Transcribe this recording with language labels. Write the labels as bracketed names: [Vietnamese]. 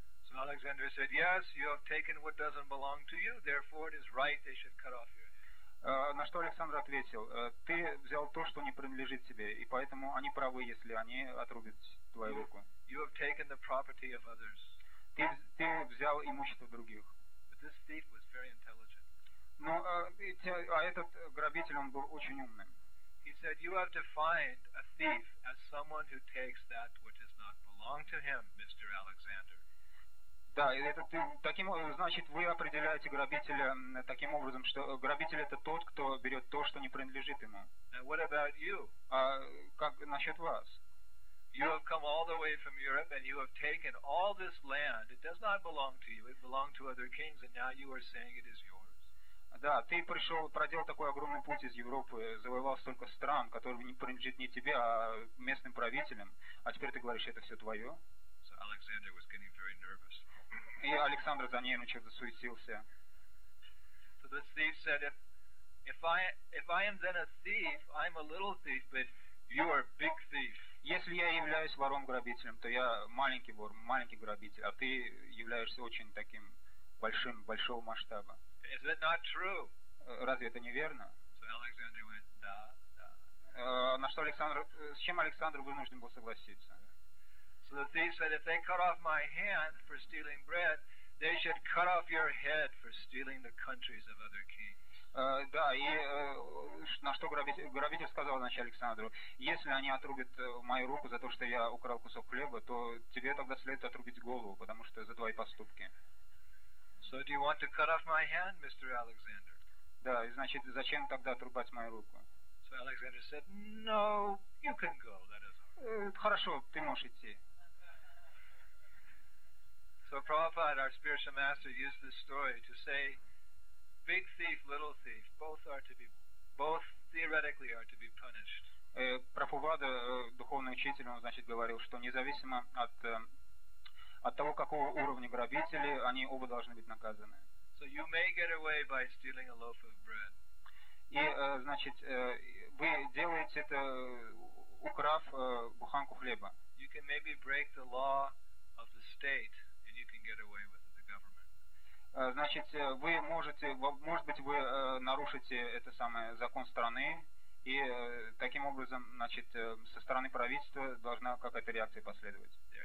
[English] So Alexander said, yes, you have taken what doesn't belong to you, therefore it is right they should cut off your hand. [Russian] На что Александр ответил: ты взял то, что не принадлежит тебе, и поэтому они правы, если они отрубят твою руку. [English] You have taken the property of others. [Russian] Ты взял имущество других. [English] But this thief was very intelligent. [Russian] Этот грабитель, он был очень умным. [English] He said, you have defined a thief as someone who takes that which does not belong to him, Mr. Alexander. [Russian] Да, значит, вы определяете грабителя таким образом, что грабитель — это тот, кто берет то, что не принадлежит ему. [English] And what about you? [Russian] А как насчет вас? [English] You have come all the way from Europe and you have taken all this land. It does not belong to you. It belonged to other kings and now you are saying it is yours. [Russian] Да, ты пришел, проделал такой огромный путь из Европы, завоевал столько стран, которые не принадлежат не тебе, а местным правителям, а теперь ты говоришь, это все твое? [English] So Alexander was getting very nervous. [Russian] И Александр занервничал, засуетился. [English] So the thief said, if I am then a thief, I'm a little thief, but you are a big thief. [Russian] Если я являюсь вором-грабителем, то я маленький вор, маленький грабитель, а ты являешься очень таким большим, большого масштаба. [English] Is that not true? [Russian] Разве это не верно? [English] So Alexander went, [Russian] да, да. На что Александр, с чем Александр вынужден был согласиться? [English] So the thief said, if they cut off my hand for stealing bread, they should cut off your head for stealing the countries of other kings. [Russian] Да, и на что грабитель сказал, значит, Александру: если они отрубят мою руку за то, что я украл кусок хлеба, то тебе тогда следует отрубить голову, потому что за твои поступки. [English] So do you want to cut off my hand, Mr. Alexander? [Russian] Да, и значит, зачем тогда отрубать мою руку? [English] So Alexander said, no, you can go, that is all. [Russian] Хорошо, ты можешь идти. [English] So Prabhupada, our spiritual master, used this story to say, big thief, little thief, both theoretically are to be punished. [Russian] Прабхупада, духовный учитель, он, значит, говорил, что независимо от того, какого уровня грабители, они оба должны быть наказаны. [English] So you may get away by stealing a loaf of bread. [Russian] И, значит, вы делаете это, украв буханку хлеба. [English] You can maybe break the law of the state and you can get away with it. [Russian] Значит, вы можете, может быть, вы нарушите это самое закон страны, и таким образом, значит, со стороны правительства должна какая-то реакция последовать.